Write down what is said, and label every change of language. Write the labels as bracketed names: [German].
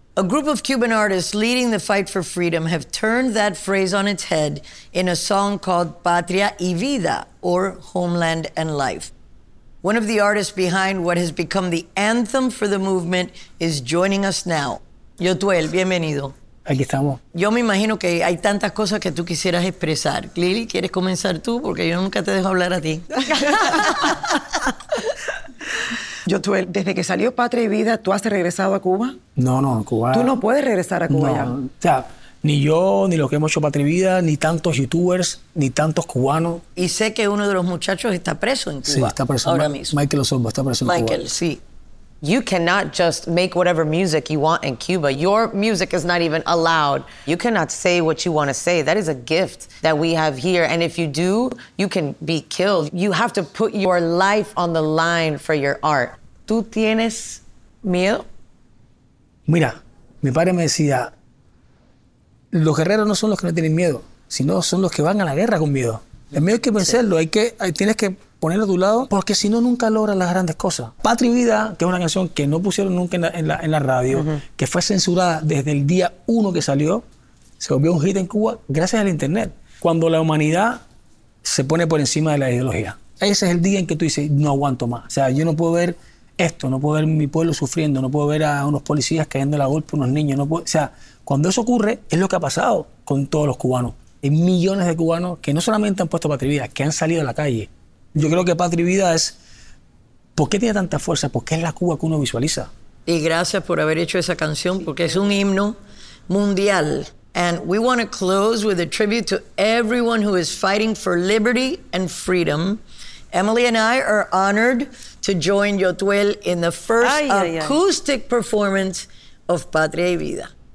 [English] A group of Cuban artists leading the fight for freedom have turned that phrase on its head in a song called Patria y Vida, or Homeland and Life. One of the artists behind what has become the anthem for the movement is joining us now. [Spanish] Yotuel, bienvenido. Aquí estamos. Yo me imagino que hay tantas cosas que tú quisieras expresar. Lili, ¿quieres comenzar tú? Porque yo nunca te dejo hablar a ti. Yotuel, desde que salió Patria y Vida, ¿tú has regresado a Cuba? No, a Cuba. ¿Tú no puedes regresar a Cuba? No, ya. O sea, ni yo, ni los que hemos hecho Patria y Vida, ni tantos youtubers, ni tantos cubanos. Y sé que uno de los muchachos está preso en Cuba. Sí, está preso. Ahora mismo. Michael Osorbo está preso en Michael, Cuba. Michael, sí. [English] You cannot just make whatever music you want in Cuba. Your music is not even allowed. You cannot say what you want to say. That is a gift that we have here. And if you do, you can be killed. You have to put your life on the line for your art. [Spanish] ¿Tú tienes miedo? Mira, mi padre me decía, los guerreros no son los que no tienen miedo, sino son los que van a la guerra con miedo. El miedo hay que vencerlo, tienes que ponerlo a tu lado, porque si no, nunca logras las grandes cosas. Patria y Vida, que es una canción que no pusieron nunca en la radio, uh-huh. que fue censurada desde el día uno que salió, se volvió un hit en Cuba gracias al internet. Cuando la humanidad se pone por encima de la ideología. Ese es el día en que tú dices, no aguanto más. O sea, yo no puedo ver esto, no puedo ver mi pueblo sufriendo, no puedo ver a unos policías cayendo la golpe a unos niños. No puedo, o sea, cuando eso ocurre, es lo que ha pasado con todos los cubanos. Hay millones de cubanos que no solamente han puesto Patria y Vida, que han salido a la calle. Yo creo que Patria y Vida es... ¿Por qué tiene tanta fuerza? Porque es la Cuba que uno visualiza. Y gracias por haber hecho esa canción, porque es un himno mundial. [English] And we want to close with a tribute to everyone who is fighting for liberty and freedom. Emily and I are honored to join Yotuel in the first acoustic performance of Patria y Vida.